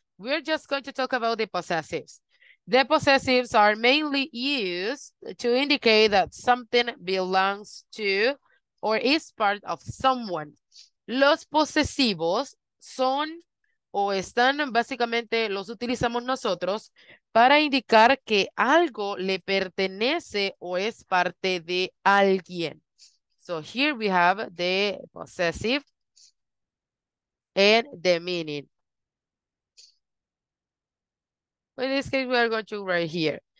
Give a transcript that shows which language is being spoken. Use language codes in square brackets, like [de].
[en] We're just going to talk about the possessives. The possessives are mainly used to indicate that something belongs to or is part of someone. [es] Los posesivos son o están, básicamente los utilizamos nosotros para indicar que algo le pertenece o es parte de alguien. [en] So here we have the possessive and the meaning. In this case, we are going to write here.